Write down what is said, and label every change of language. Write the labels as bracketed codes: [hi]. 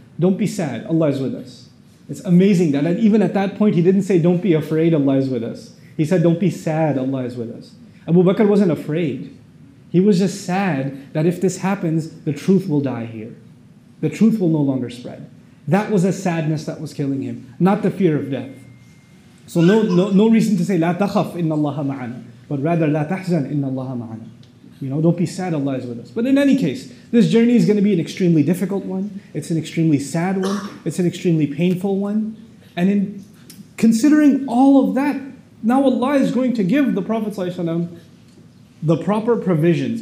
[en] Don't be sad, Allah is with us. It's amazing that even at that point, he didn't say, don't be afraid, Allah is with us. He said, don't be sad, Allah is with us. Abu Bakr wasn't afraid. He was just sad that if this happens, the truth will die here. The truth will no longer spread. That was a sadness that was killing him, not the fear of death. So no reason to say, [ar] لا تخف إن الله معنا, [en] but rather, [ar] لا تحزن إن الله معنا. [en] You know, don't be sad, Allah is with us. But in any case, this journey is going to be an extremely difficult one. It's an extremely sad one. It's an extremely painful one. And in considering all of that, now Allah is going to give the Prophet ﷺ the proper provisions.